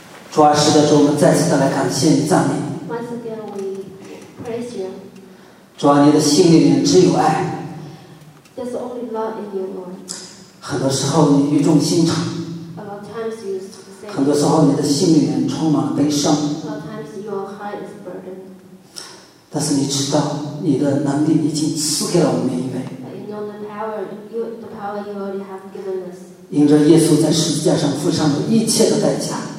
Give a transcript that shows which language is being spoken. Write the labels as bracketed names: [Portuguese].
[Chinese] 主啊，是的，主，我们再次的来感谢你、赞美你。 [English] Once again, we praise you. [Chinese] 主啊，你的心里面只有爱。 [English] There's only love in you, Lord. [Chinese] 很多时候你语重心长。 [English] A lot of times you say. [Chinese] 很多时候你的心里面充满了悲伤。 [English] A lot of times your heart is burdened. [Chinese] 但是你知道，你的能力已经赐给了我们每一位。 [English] You know the power you already have given us. [Chinese] 因着耶稣在十字架上付上的一切的代价。